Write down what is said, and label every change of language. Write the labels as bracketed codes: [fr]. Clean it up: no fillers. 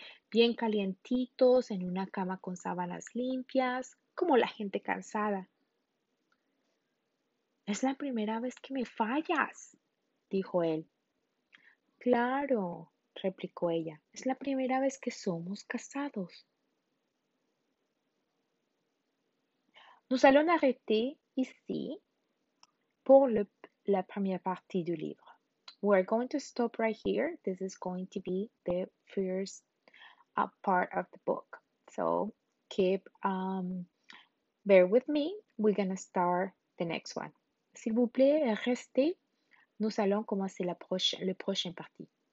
[es] «Bien calientitos, en una cama con sábanas limpias, como la gente cansada». «Es la primera vez que me fallas», dijo él. «Claro», replicó ella, «es la primera vez que somos casados». [fr] Nous allons arrêter ici pour la première partie du livre. [en] We're going to stop right here. This is going to be the first part of the book. So keep bear with me. We're going to start the next one. [fr] S'il vous plaît, restez. Nous allons commencer la prochaine partie.